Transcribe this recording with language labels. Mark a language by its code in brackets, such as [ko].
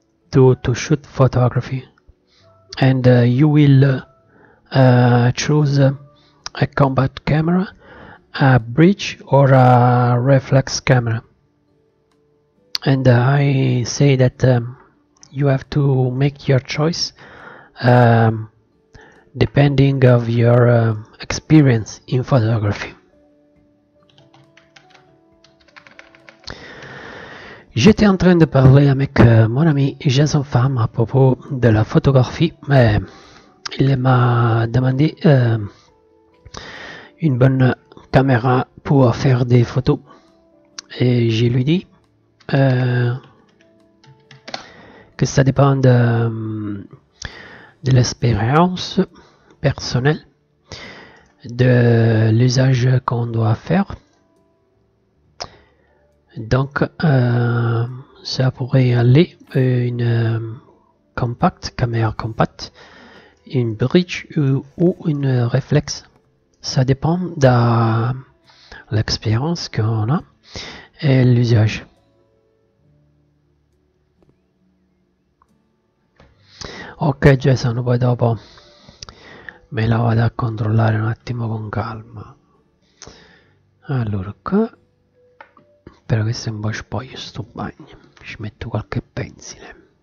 [en] To shoot photography, and you will choose a combat camera, a bridge or a reflex camera. And I say that you have to make your choice depending of your experience in photography. [fr] J'étais en train de parler avec mon ami Jason Pham à propos de la photographie, mais il m'a demandé une bonne caméra pour faire des photos. Et je lui dis que ça dépend de l'expérience personnelle, de l'usage qu'on doit faire. Donc, ça pourrait aller une compacte, caméra compacte, une bridge ou une reflex. Ça dépend de l'expérience qu'on a et l'usage. [it] Ok, Jason, poi dopo me la vado a controllare un attimo con calma. Allora, qua. Però questo è un po' spoglio sto bagno, ci metto qualche pensile.